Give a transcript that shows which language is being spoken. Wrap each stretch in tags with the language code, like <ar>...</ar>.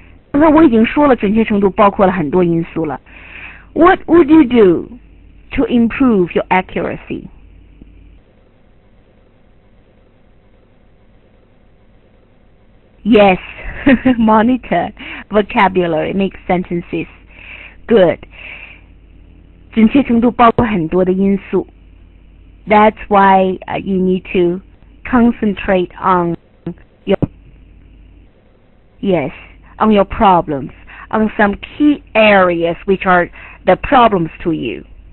<zh>刚才我已经说了，准确程度包括了很多因素了。</zh> <en>What would you do to improve your accuracy? Yes, monitor. vocabulary, make sentences good.</en> <zh>准确程度包括很多的因素。</zh> <en>That's why you need to concentrate on your, yes, on your problems, on some key areas which are the problems to you.</en>